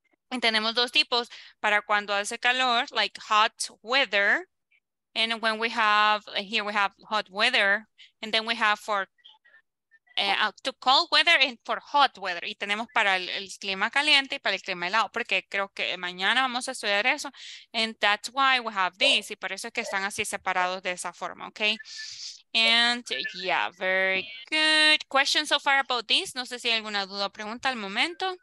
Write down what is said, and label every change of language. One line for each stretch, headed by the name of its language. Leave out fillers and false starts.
Spanish: Y tenemos dos tipos para cuando hace calor,
English: like hot weather. And when we have, here we have hot weather. And then we have for to cold weather and for hot weather.
Spanish: Y tenemos para el clima caliente y para el clima helado, porque creo que mañana vamos a estudiar eso.
English: And that's why we have this.
Spanish: Y por eso es que están así separados de esa forma,
English: okay? And yeah, very good. Questions so far about this?
Spanish: No sé si hay alguna duda o pregunta al momento.